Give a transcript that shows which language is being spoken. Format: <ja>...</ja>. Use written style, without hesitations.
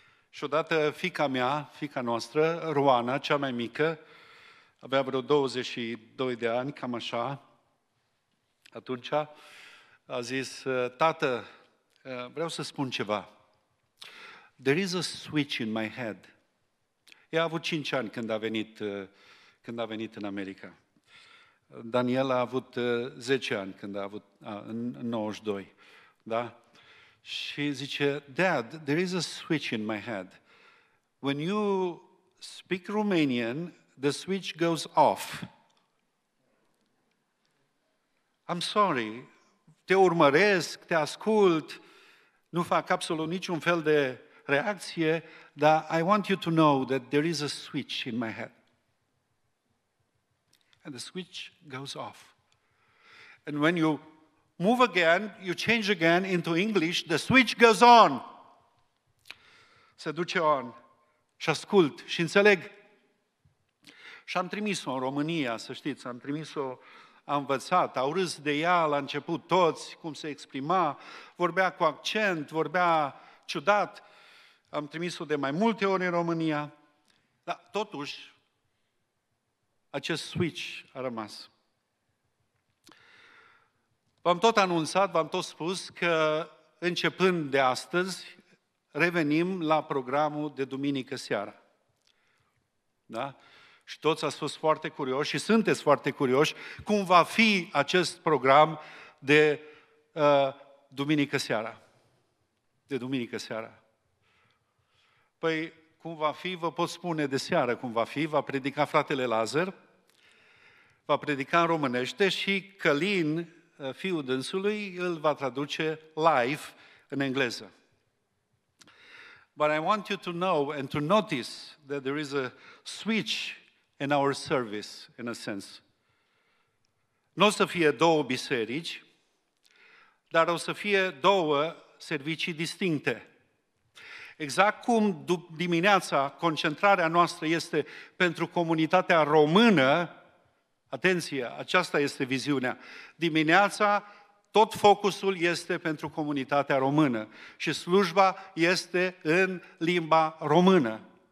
<ro>Și odată fiica mea, fiica noastră, Roana, cea mai mică, avea vreo 22 de ani, cam așa, atunci a zis, tată, vreau să spun ceva.</ro> <en>There is a switch in my head.</en> <ro>Ea a avut 5 ani când a venit în America. Daniel a avut 10 ani când a avut, în 92, da? Și zice,</ro> <en>Dad, there is a switch in my head. When you speak Romanian, the switch goes off. I'm sorry,</en> <ro>te urmăresc, te ascult, nu fac absolut niciun fel de reacție, dar</ro> <en>I want you to know that there is a switch in my head. And the switch goes off. And when you move again, you change again into English, the switch goes on.</en> <ro>Se duce on și ascult și înțeleg. Și am trimis-o în România, să știți, am trimis-o, a învățat, au râs de ea la început toți, cum se exprima, vorbea cu accent, vorbea ciudat. Am trimis-o de mai multe ori în România, dar totuși acest switch a rămas. V-am tot anunțat, v-am tot spus că începând de astăzi revenim la programul de duminică seara. Da? Și toți ați fost foarte curioși și sunteți foarte curioși cum va fi acest program de duminică seara. De duminică seara. Păi, cum va fi, vă pot spune de seară cum va fi, va predica fratele Lazar, va predica în românește și Călin, fiul dânsului, îl va traduce live în engleză.</ro> <en>But I want you to know and to notice that there is a switch in our service, in a sense.</en> <ro>Nu o să fie două biserici, dar o să fie două servicii distincte. Exact cum dimineața concentrarea noastră este pentru comunitatea română, atenție, aceasta este viziunea, dimineața tot focusul este pentru comunitatea română și slujba este în limba română.</ro>